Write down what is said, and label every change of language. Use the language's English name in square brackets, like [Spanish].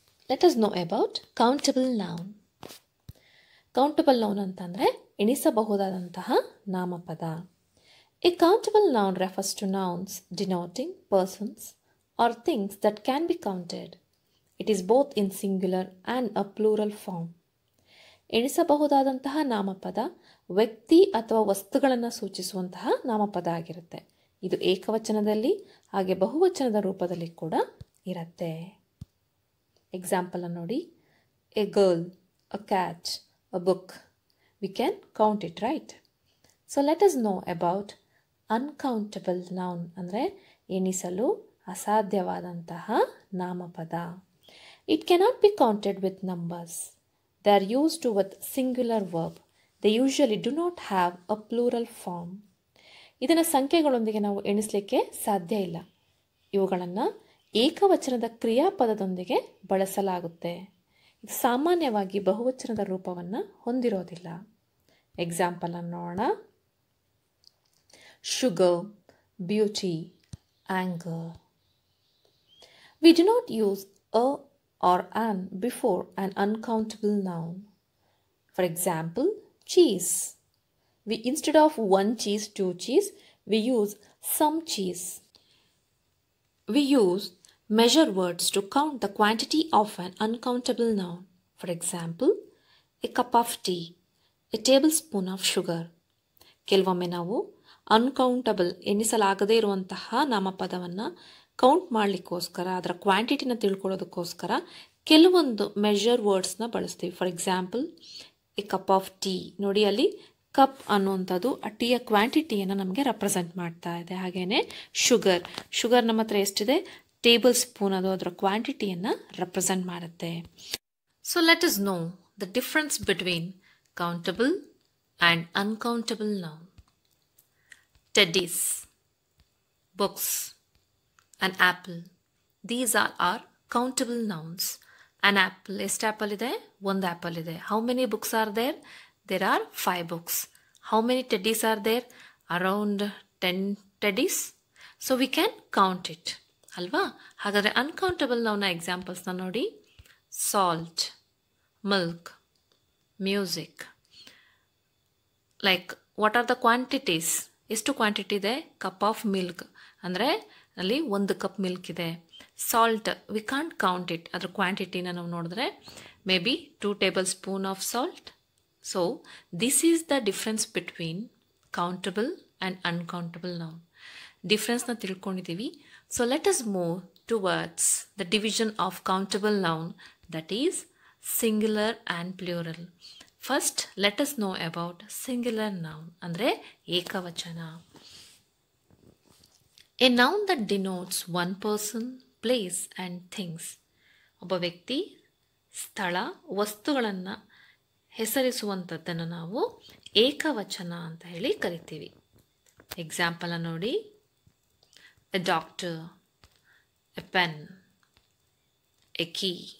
[English] Let us know about countable noun. Countable noun [Kannada] antandre enisabahudadantaha namapada. [English] A countable noun refers to nouns denoting persons or things that can be counted. It is both in singular and a plural form. [Kannada] ಎಣಿಸಬಹುದಾದಂತಹ ನಾಮಪದ ವ್ಯಕ್ತಿ ಅಥವಾ ವಸ್ತುಗಳನ್ನು ಸೂಚಿಸುವಂತಹ ನಾಮಪದ ಆಗಿರುತ್ತೆ. ಇದು ಏಕವಚನದಲ್ಲಿ ಹಾಗೆ ಬಹುವಚನದ ರೂಪದಲ್ಲಿ ಕೂಡ ಇರುತ್ತೆ. ಎಕ್ಸಾಂಪಲನ್ನು ನೋಡಿ, [English] A girl, a catch, a book, we can count it, right? So let us know about uncountable noun, [Kannada] ಅಂದರೆ ಎಣಿಸಲು ಅಸಾಧ್ಯವಾದಂತಹ ನಾಮಪದ. [English] It cannot be counted with numbers. They are used with singular verb. They usually do not have a plural form. [Kannada] ಇದನ್ನು ಸಂಖ್ಯೆಗಳೊಂದಿಗೆ ನಾವು ಎಣಿಸಲಿಕ್ಕೆ ಸಾಧ್ಯ ಇಲ್ಲ. ಇವುಗಳನ್ನು ಏಕವಚನದ ಕ್ರಿಯಾಪದದೊಂದಿಗೆ ಬಳಸಲಾಗುತ್ತೆ. ಇದು ಸಾಮಾನ್ಯವಾಗಿ ಬಹುವಚನದ ರೂಪವನ್ನು ಹೊಂದಿರೋದಿಲ್ಲ. ಎಕ್ಸಾಂಪಲ್ ಅನ್ನು ನೋಡೋಣ, sugar, beauty, anger. [English] we do not use [Kannada] a or an [English] before an uncountable noun. For example, cheese. We instead of one cheese, two cheese, we use some cheese. We use measure words to count the quantity of an uncountable noun. For example, a cup of tea, a tablespoon of sugar. [Kannada] ಕೆಲವೊಮ್ಮೆ ನಾವು uncountable ಎನಿಸಲಾಗದೇ ಇರುವಂತಹ ನಾಮಪದವನ್ನು count ಮಾಡಲಿಕ್ಕೋಸ್ಕರ, ಅದರ ಕ್ವಾಂಟಿಟಿನ ತಿಳ್ಕೊಳ್ಳೋದಕ್ಕೋಸ್ಕರ ಕೆಲವೊಂದು measure ವರ್ಡ್ಸ್ನ ಬಳಸ್ತೀವಿ. [English] For example, a cup of tea. [Kannada] ನೋಡಿ, ಅಲ್ಲಿ cup ಅನ್ನುವಂಥದ್ದು ಆ ಟೀಯ ಕ್ವಾಂಟಿಟಿಯನ್ನು ನಮಗೆ ರೆಪ್ರೆಸೆಂಟ್ ಮಾಡ್ತಾ ಇದೆ. ಹಾಗೆಯೇ ಶುಗರ್, ಶುಗರ್ ನಮ್ಮ ಹತ್ರ ಎಷ್ಟಿದೆ, ಟೇಬಲ್ ಸ್ಪೂನ್, ಅದು ಅದರ ಕ್ವಾಂಟಿಟಿಯನ್ನು ರೆಪ್ರೆಸೆಂಟ್ ಮಾಡುತ್ತೆ. [English] So let us know the difference between countable and uncountable noun. Teddies, books, an apple, these are countable nouns. An apple, [Kannada] ಎಷ್ಟು ಆ್ಯಪಲ್ ಇದೆ? ಒಂದು ಆ್ಯಪಲ್ ಇದೆ. [English] How many books are there? There are five books. How many teddies are there? Around 10 teddies. So we can count it, ಅಲ್ವಾ? [Kannada] ಹಾಗಾದರೆ uncountable ನೌನ ಎಕ್ಸಾಂಪಲ್ಸ್ನ ನೋಡಿ, salt, milk, music. [English] Like what are the quantities? [Kannada] ಎಷ್ಟು quantity ಇದೆ? Cup of milk ಅಂದರೆ ಅಲ್ಲಿ ಒಂದು cup milk ಇದೆ. [English] salt, we can't count it, [Kannada] ಅದರ ಕ್ವಾಂಟಿಟಿನ ನಾವು ನೋಡಿದ್ರೆ [English] Maybe 2 tablespoon of salt. So this is the difference between countable and uncountable noun. [Kannada] ಡಿಫ್ರೆನ್ಸ್ನ ತಿಳ್ಕೊಂಡಿದ್ದೀವಿ. [English] So let us move to words the division of countable noun, that is singular and plural. First let us know about singular noun, [Kannada] ಅಂದರೆ ಏಕವಚನ. [English] A noun that denotes one person, place and things. [Kannada] ಒಬ್ಬ ವ್ಯಕ್ತಿ, ಸ್ಥಳ, ವಸ್ತುಗಳನ್ನು ಹೆಸರಿಸುವಂಥದ್ದನ್ನು ನಾವು ಏಕವಚನ ಅಂತ ಹೇಳಿ ಕರಿತೀವಿ. ಎಕ್ಸಾಂಪಲ್ ನೋಡಿ, [English] A doctor, a pen, a key.